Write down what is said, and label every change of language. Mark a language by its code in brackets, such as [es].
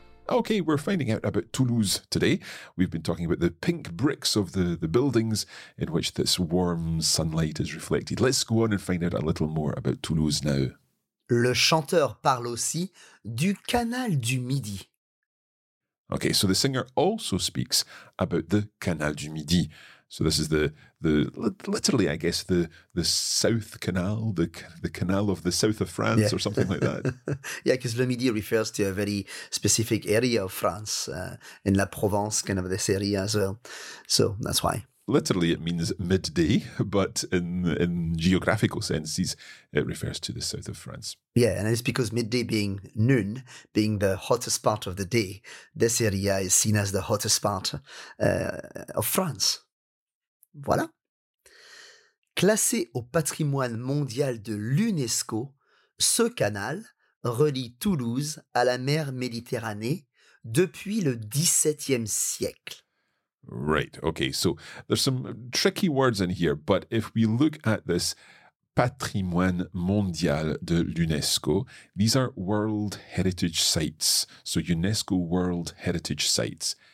[en] Okay, we're finding out about Toulouse today. We've been talking about the pink bricks of the buildings in which this warm sunlight is reflected. Let's go on and find out a little more about Toulouse now. [fr] Le chanteur parle aussi du canal du Midi. [en] Okay, so the singer also speaks about the canal du Midi. So this is literally, I guess, the South Canal, the canal of the south of France, yeah. Or something like that. Yeah, because Le Midi refers to a very specific area of France, in La Provence, kind of this area as well. So that's why. Literally, it means midday, but in geographical senses, it refers to the south of France. Yeah, and it's because midday being noon, being the hottest part of the day, this area is seen as the hottest part of France. [fr] Voilà. Classé au patrimoine mondial de l'UNESCO, ce canal relie Toulouse à la mer Méditerranée depuis le XVIIe siècle. [en] Right, okay, so there's some tricky words in here, but if we look at this [fr] patrimoine mondial de l'UNESCO, [en] these are World Heritage Sites, so UNESCO World Heritage Sites.